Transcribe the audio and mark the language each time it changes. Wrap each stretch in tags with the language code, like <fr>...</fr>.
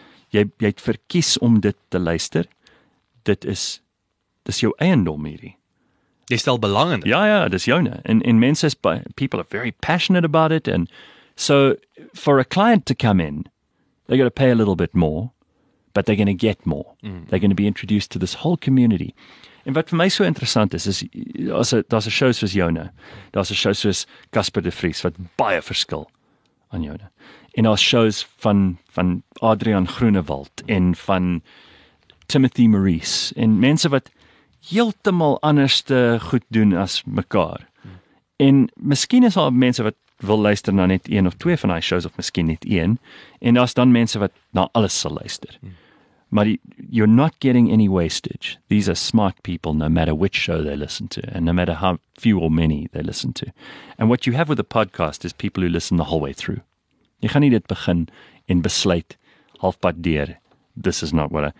<af>Jy het verkies om dit te luister. Dit is jou eiendom hierdie. Jy stel belang in dit. Ja, dis joune. En mense is,</af> <en>people are very passionate about it. And so for a client to come in, they're going to pay a little bit more, but they're going to get more. Mm. They're going to be introduced to this whole community.</en> <af>En wat vir my so interessant is daar's 'n show soos Jona, daar's 'n show soos Casper de Vries, wat baie verskil aan Jona. En daar's shows van Adrian Groenewald en van Timothy Maurice, en mense wat heeltemal anderste goed doen as mekaar. En miskien is daar mense wat wil luister na net een of twee van die shows, of miskien net een, en daar's dan mense wat na alles sal luister.</af> <en>Maar you're not getting any wastage. These are smart people, no matter which show they listen to, and no matter how few or many they listen to. And what you have with a podcast is people who listen the whole way through.</en> <af>Jy gaan nie dit begin en besluit halfpad deur,</af> <en>this is not what I...</en>